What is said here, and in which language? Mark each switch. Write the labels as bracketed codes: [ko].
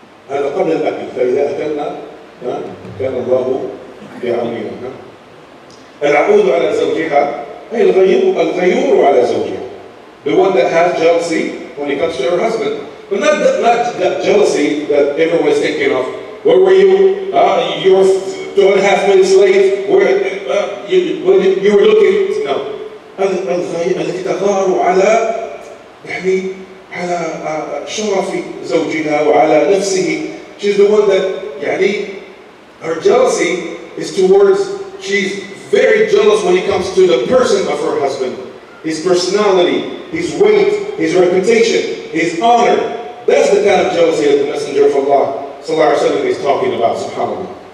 [ar] هذا قبل الأكل فإذا أكلنا كان الله بعونينا. العقود على زوجها أي الغيور على زوجها. [en] The one that has jealousy when it comes to her husband. But not that jealousy that everyone's thinking of. Where were you? You were 2.5 minutes late. Where you were looking? No. [ar] الاقتدار على يعني على شرف زوجها وعلى نفسه. [en] She's the one that, يعني, her jealousy is towards, she's very jealous when it comes to the person of her husband. His personality, his weight, his reputation, his honor. That's the kind of jealousy that the Messenger of Allah, sallallahu alayhi wa sallam, is talking about, subhanAllah.